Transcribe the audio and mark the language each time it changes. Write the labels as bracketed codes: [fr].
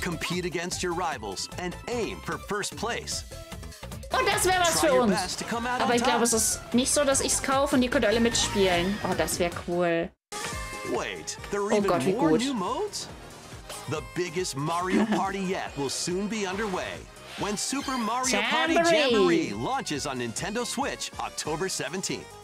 [en] Compete against your rivals and aim for first place. [de] Oh, das wäre was für uns. Aber ich glaube, es ist nicht so, dass ich es kaufe und ihr könnt alle mitspielen. Oh, das wäre cool. [en] Wait, there are even more new modes? The biggest Mario Party yet will soon be underway when Super Mario Party Jamboree launches on Nintendo Switch October 17th.